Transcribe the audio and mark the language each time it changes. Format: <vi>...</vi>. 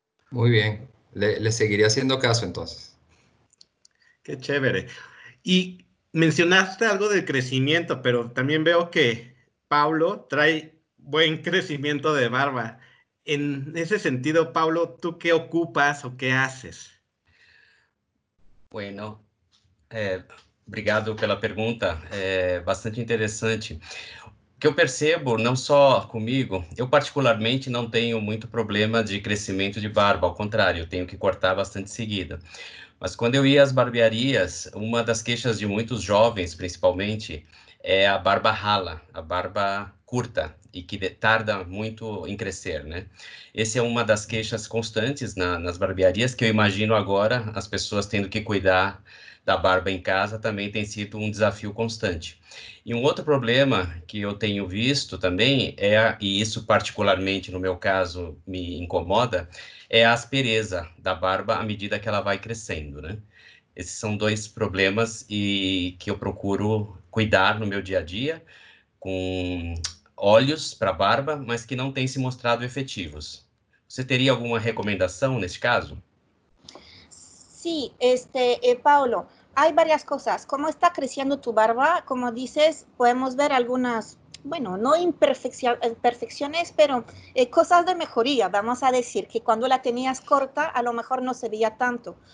<es>Muy bien, le seguiré haciendo caso entonces. Qué chévere. Y mencionaste algo del crecimiento, pero también veo que Pablo trae buen crecimiento de barba. En ese sentido, Pablo, ¿tú qué ocupas o qué haces?</es> <pt>Bueno, obrigado pela pergunta, bastante interessante. O que eu percebo, não só comigo, eu particularmente não tenho muito problema de crescimento de barba, ao contrário, eu tenho que cortar bastante seguida. Mas quando eu ia às barbearias, uma das queixas de muitos jovens, principalmente, é a barba rala, a barba curta e que tarda muito em crescer, né? Essa é uma das queixas constantes nas barbearias, que eu imagino agora as pessoas tendo que cuidar da barba em casa também tem sido um desafio constante. E um outro problema que eu tenho visto também e isso particularmente no meu caso me incomoda, é a aspereza da barba à medida que ela vai crescendo, né? Esses são dois problemas e que eu procuro cuidar no meu dia a dia com óleos para barba, mas que não têm se mostrado efetivos. Você teria alguma recomendação neste caso?</pt> <es>Sí, Paulo, hay varias cosas. ¿Cómo está creciendo tu barba? Como dices, podemos ver algunas Bueno, no imperfecciones, pero cosas de mejoría. Vamos a decir que cuando la tenías corta, a lo mejor no se veía tanto.</es>